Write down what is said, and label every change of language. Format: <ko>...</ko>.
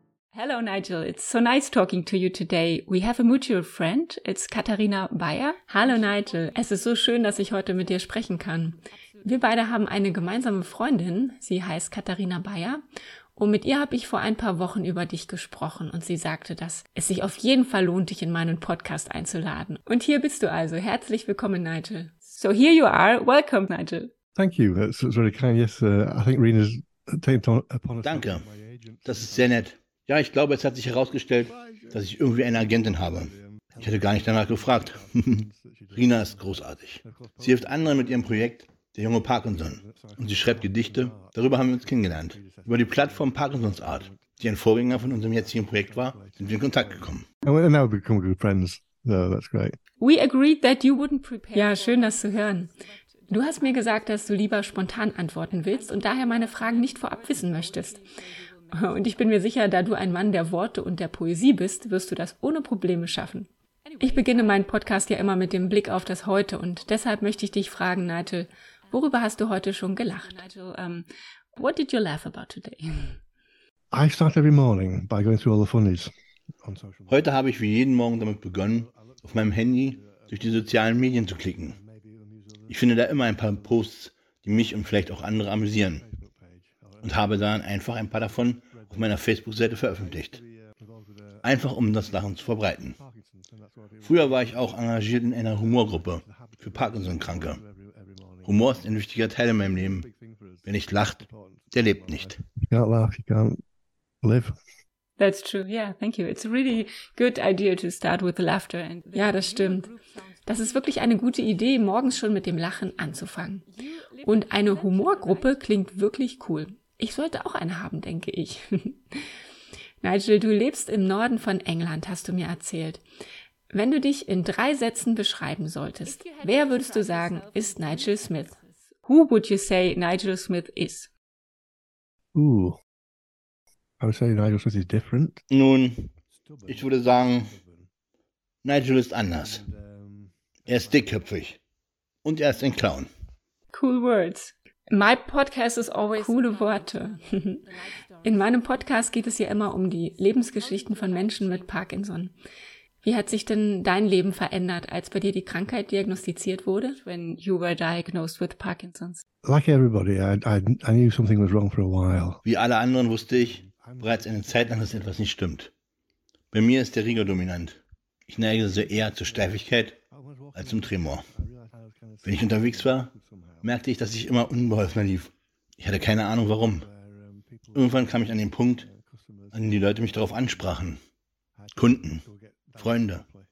<en>Hello Nigel, it's so nice talking to you today. We have a mutual friend, it's Katharina Bayer.</en> <de>Hallo Nigel, es ist so schön, dass ich heute mit dir sprechen kann. Wir beide haben eine gemeinsame Freundin, sie heißt Katharina Bayer. Und mit ihr habe ich vor ein paar Wochen über dich gesprochen und sie sagte, dass es sich auf jeden Fall lohnt, dich in meinen Podcast einzuladen. Und hier bist du also. Herzlich willkommen, Nigel.</de> <en>So here you are. Welcome, Nigel. Thank you. That's really kind. Yes, I think Rena's taken upon us.</en> <de>Danke. Das ist sehr nett. Ja, ich glaube, es hat sich herausgestellt, dass ich irgendwie eine Agentin habe. Ich hätte gar nicht danach gefragt. Rena ist großartig. Sie hilft anderen mit ihrem Projekt. Der junge Parkinson. Und sie schreibt Gedichte. Darüber haben wir uns kennengelernt. Über die Plattform Parkinson's Art, die ein Vorgänger von unserem jetzigen Projekt war, sind wir in Kontakt gekommen.</de> <en>And now we've become good friends. So that's great. We agreed that you wouldn't prepare.</en> <de>Ja, schön, das zu hören. Du hast mir gesagt, dass du lieber spontan antworten willst und daher meine Fragen nicht vorab wissen möchtest. Und ich bin mir sicher, da du ein Mann der Worte und der Poesie bist, wirst du das ohne Probleme schaffen. Ich beginne meinen Podcast ja immer mit dem Blick auf das Heute und deshalb möchte ich dich fragen, Nigel, worüber hast du heute schon gelacht?</de> <en>Nigel, what did you laugh about today? I start every morning by going through all the funnies on social media.</en> <de>Heute habe ich wie jeden Morgen damit begonnen, auf meinem Handy durch die sozialen Medien zu klicken. Ich finde da immer ein paar Posts, die mich und vielleicht auch andere amüsieren. Und habe dann einfach ein paar davon auf meiner Facebook-Seite veröffentlicht. Einfach um das Lachen zu verbreiten. Früher war ich auch engagiert in einer Humorgruppe für Parkinson-Kranke. Humor ist ein wichtiger Teil in meinem Leben. Wer nicht lacht, der lebt nicht.</de> <en>You can't laugh, you can't live. That's true. Yeah, thank you. It's a really good idea to start with the laughter.</en> <de>Ja, das stimmt. Das ist wirklich eine gute Idee, morgens schon mit dem Lachen anzufangen. Und eine Humorgruppe klingt wirklich cool. Ich sollte auch eine haben, denke ich. Nigel, du lebst im Norden von England, hast du mir erzählt. Wenn du dich in 3 Sätzen beschreiben solltest, wer würdest du sagen, ist Nigel Smith?</de> <en>Who would you say Nigel Smith is? Ooh, I would say Nigel Smith is different.</en> <de>Nun, ich würde sagen, Nigel ist anders. Er ist dickköpfig und er ist ein Clown.</de> <en>Cool words. My podcast is always...</en> <de>Coole Worte. In meinem Podcast geht es ja immer um die Lebensgeschichten von Menschen mit Parkinson. Wie hat sich denn dein Leben verändert, als bei dir die Krankheit diagnostiziert wurde?</de> <en>When you were diagnosed with Parkinson's. Like everybody, I knew something was wrong for a while.</en> <de>Wie alle anderen wusste ich bereits eine Zeit lang, dass etwas nicht stimmt. Bei mir ist der Rigor dominant. Ich neige also eher zur Steifigkeit als zum Tremor. Wenn ich unterwegs war, merkte ich, dass ich immer unbeholfener lief. Ich hatte keine Ahnung, warum. Irgendwann kam ich an den Punkt, an dem die Leute mich darauf ansprachen. Kunden. Freunde.</de>